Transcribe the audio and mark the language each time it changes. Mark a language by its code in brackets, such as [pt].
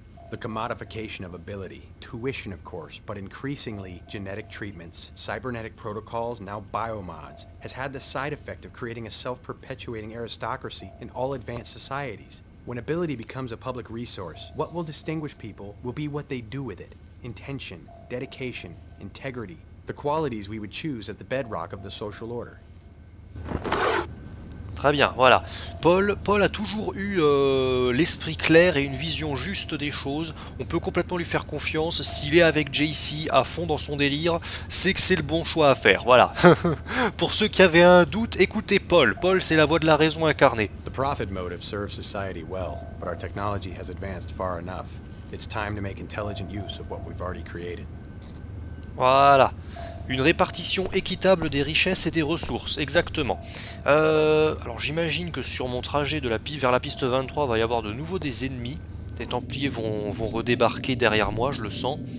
[en] The commodification of ability, tuition of course, but increasingly genetic treatments, cybernetic protocols, now biomods, has had the side effect of creating a self-perpetuating aristocracy in all advanced societies. When ability becomes a public resource, what will distinguish people will be what they do with it. Intention, dedication, integrity, the qualities we would choose as the bedrock of the social order. [fr] Très bien, voilà. Paul a toujours eu l'esprit clair et une vision juste des choses. On peut complètement lui faire confiance. S'il est avec JC à fond dans son délire, c'est que c'est le bon choix à faire. Voilà. Pour ceux qui avaient un doute, écoutez Paul. Paul, c'est la voix de la raison incarnée. [en] The profit motive serves society well, but our technology has advanced far enough. It's time to make intelligent use of what we've already created. [fr] Voilà. Une répartition équitable des richesses et des ressources, exactement. Alors j'imagine que sur mon trajet de la vers la piste 23, il va y avoir de nouveau des ennemis. Des Templiers vont redébarquer derrière moi, je le sens.